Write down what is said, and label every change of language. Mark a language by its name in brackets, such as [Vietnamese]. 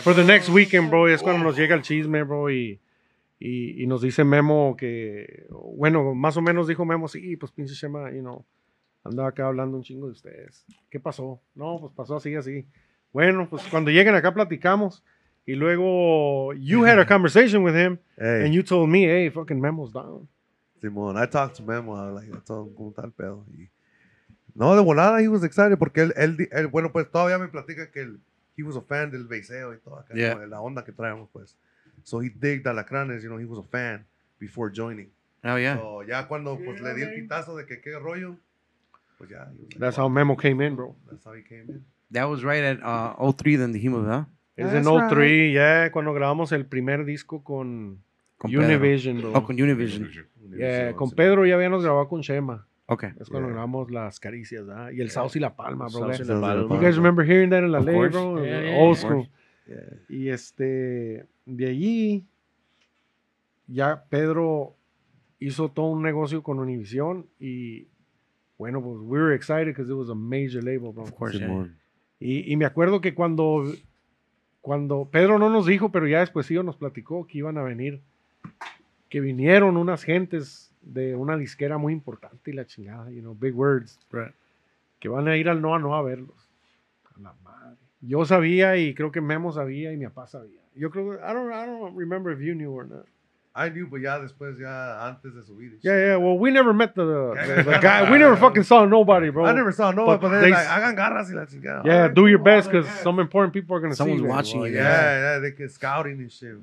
[English] For the next weekend, [Spanish] bro, es cuando nos llega el chisme, bro, y nos dice Memo que, bueno, más o menos dijo Memo, sí, pues pinche Shema, [English] you know, [Spanish] andaba acá hablando un chingo de ustedes. ¿Qué pasó? No, pues pasó así, así. Bueno, pues cuando lleguen acá platicamos. Y luego, [English] you had a conversation with him, hey. And you told me, hey, fucking Memo's down. Simón, I talked to Memo, like, I told him, [Spanish] ¿cómo está el pedo? Y, no, de volada, [English] he was excited, [Spanish] porque él, bueno, pues todavía me platica que él, [English] he was a fan [Spanish] del beiseo y todo acá, [English] yeah. [Spanish] Como, la onda que traemos, pues. [English] So he digged Alacranes, you know, he was a fan before joining. Oh, yeah. [Spanish] So ya cuando pues, le di el pitazo de que qué rollo, pues ya. [English] Like, that's how Memo came in, bro. That's how he came in. That was right at 03 then the Hemo, huh? [Spanish] Es en 03, right. Yeah, cuando grabamos el primer disco con Univision, bro. Oh, con Univision. Yeah, con Pedro ya habíamos grabado con Shema. [English] Okay. [Spanish] Es cuando grabamos Las Caricias, ¿ah? Y el Saus y La Palma, bro. Saus y La Palma. [English] You guys remember hearing that in La Ley, bro? Yeah, old school. Yeah. [Spanish] Y este, de allí, ya Pedro hizo todo un negocio con Univision y, bueno, pues [English] we were excited because it was a major label, bro. Of course, yeah. [Spanish] Y me acuerdo que cuando Pedro no nos dijo, pero ya después sí nos platicó que iban a venir, que vinieron unas gentes de una disquera muy importante y la chingada, [English] you know, big words, right. [Spanish] Que van a ir al Noa Noa a verlos. A la madre. Yo sabía y creo que Memo sabía y mi papá sabía. Yo creo, [English] I don't remember if you knew or not. I knew, but [Spanish] ya después, ya antes de subir. [English] Yeah, yeah, well, we never met the guy. We never fucking saw nobody, bro. I never saw nobody, but they like, [Spanish] hagan garras y la chingada. [English] Yeah, do your best, because some important people are going to see you. Someone's watching you. Yeah, they get scouting and shit.